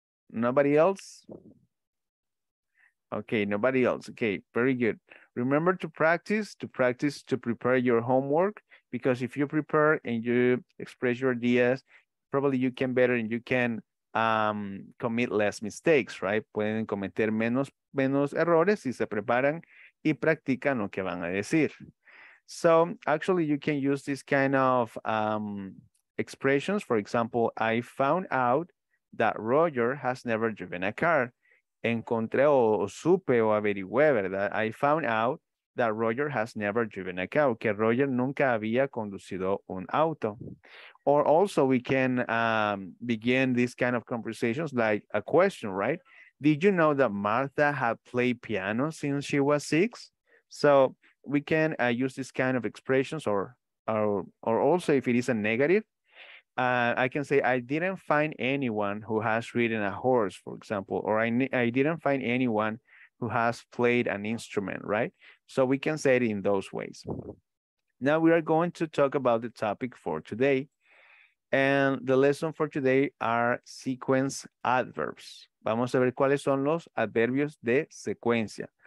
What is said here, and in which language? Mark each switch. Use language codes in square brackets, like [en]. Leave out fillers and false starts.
[en] Nobody else? Okay, nobody else. Okay, very good. Remember to practice, to prepare your homework. Because if you prepare and you express your ideas, probably you can better and you can commit less mistakes, right? [es] Pueden cometer menos errores si se preparan y practican lo que van a decir. [en] So actually you can use this kind of expressions. For example, I found out that Roger has never driven a car. [es] Encontré o supe o averigüé, ¿verdad? [en] I found out that Roger has never driven a car, [es] que Roger nunca había conducido un auto. [en] Or also we can begin these kind of conversations like a question, right? Did you know that Martha had played piano since she was 6? So we can use this kind of expressions or also if it is a negative, I can say, I didn't find anyone who has ridden a horse, for example, or I didn't find anyone who has played an instrument, right? So we can say it in those ways. Now we are going to talk about the topic for today. And the lesson for today are sequence adverbs. [es] Vamos a ver cuáles son los adverbios de secuencia.